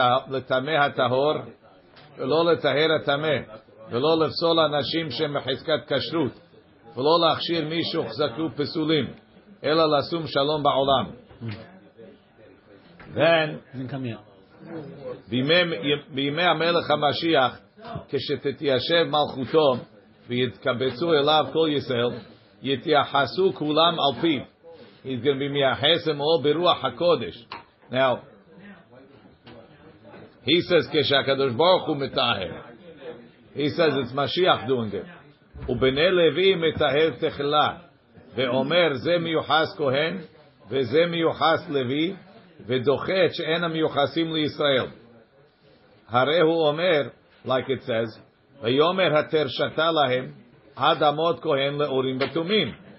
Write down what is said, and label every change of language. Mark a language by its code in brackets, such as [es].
[he] לטמא הטהור ולא לטהר הטמא ולא לפסול אנשים שמחזקת כשרות ולא להכשיר מי שהוחזקו פסולים אלא לשום שלום בעולם [en] then [he] בימי המלך המשיח כשתתיישב מלכותו ויתקבצו אליו כל ישראל, יתייחסו כולם על פיו. [en] He's going to be [he] מייחס עם אור ברוח הקודש. [en] Now, he says, [he] כשהקדוש ברוך הוא מתאהר. [en] He says, it's משיח doing it. [he] ובני לוי מתאהר תחילה, ואומר, זה מיוחס כהן, וזה מיוחס לוי, ודוחה את שאין המיוחסים לישראל. הרי הוא אומר, [en] like it says, [he] ויאמר התרשתה להם עד עמוד כהן לאורים ותומים.